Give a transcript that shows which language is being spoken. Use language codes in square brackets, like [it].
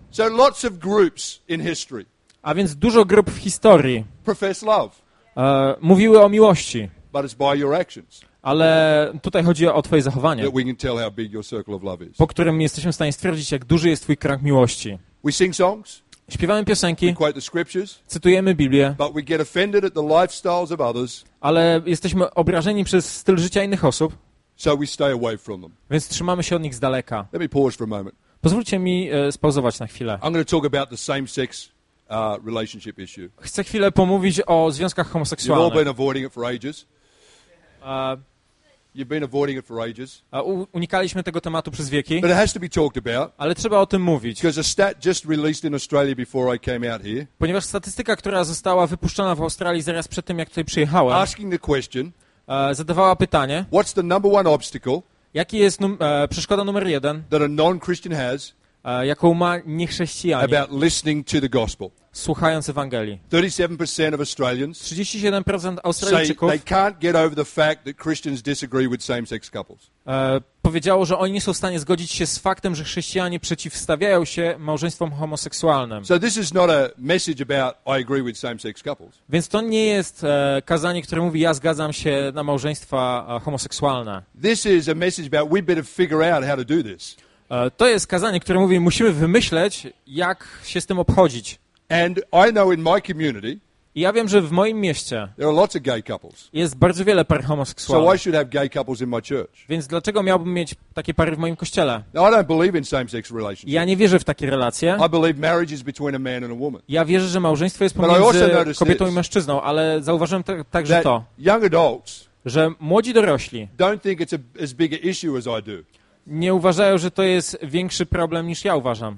[en] So lots of groups in history, [pl] a więc dużo grup w historii, [en] profess love. [pl] Mówiły o miłości. [en] But it's by your actions. [pl] Ale tutaj chodzi o twoje zachowanie, [en] that we can tell how big your circle of love is. [pl] Po którym jesteśmy w stanie stwierdzić, jak duży jest twój krąg miłości. [en] We sing songs, [pl] śpiewamy piosenki, [en] we quote the scriptures, [pl] cytujemy Biblię, [en] but we get offended at the lifestyles of others, [pl] ale jesteśmy obrażeni przez styl życia innych osób, [en] so we stay away from them. [pl] Więc trzymamy się od nich z daleka. [en] Let me pause for a moment. [pl] Pozwólcie mi spauzować na chwilę. [en] I'm going to talk about the same sex relationship issue. [pl] Chcę chwilę pomówić o związkach homoseksualnych. [en] You've all been avoiding it for ages. You've been avoiding it for ages. [pl] Unikaliśmy tego tematu przez wieki. [en] But it has to be talked about. [pl] Ale trzeba o tym mówić. [en] Because a stat just released in Australia before I came out here. [pl] Ponieważ statystyka, która została wypuszczona w Australii zaraz przed tym, jak tutaj przyjechałem. [en] Asking the question. [pl] Zadawała pytanie. [en] What's the number one obstacle? [pl] Jaki jest przeszkoda numer jeden? [en] That a non-Christian has. [pl] Jaką ma niechrześcijanie. [en] About listening to the gospel. [pl] Słuchając Ewangelii. [en] 37% of Australians. [pl] 37% Australijczyków. [en] They can't get over the fact that Christians disagree with same-sex couples. [pl] Powiedziało, że oni nie są w stanie zgodzić się z faktem, że chrześcijanie przeciwstawiają się małżeństwom homoseksualnym. [en] So this is not a message about I agree with same-sex couples. [pl] Więc to nie jest kazanie, które mówi ja zgadzam się na małżeństwa homoseksualne. [en] This is a message about we better figure out how to do this. [pl] To jest kazanie, które mówi, musimy wymyśleć, jak się z tym obchodzić. [en] And I know in my community, [pl] i ja wiem, że w moim mieście [en] there are lots of gay couples. [pl] Jest bardzo wiele par homoseksualnych. [en] So I should have gay couples in my church. [pl] Więc dlaczego miałbym mieć takie pary w moim kościele? [en] Now, I don't believe in same-sex relationships. [pl] Ja nie wierzę w takie relacje. [en] I believe marriage is between a man and a woman. [pl] Ja wierzę, że małżeństwo jest pomiędzy kobietą i mężczyzną, ale zauważyłem także to, [en] young adults, [pl] że młodzi dorośli [en] don't think it's as big an issue as I do. [pl] Nie uważają, że to jest większy problem niż ja uważam.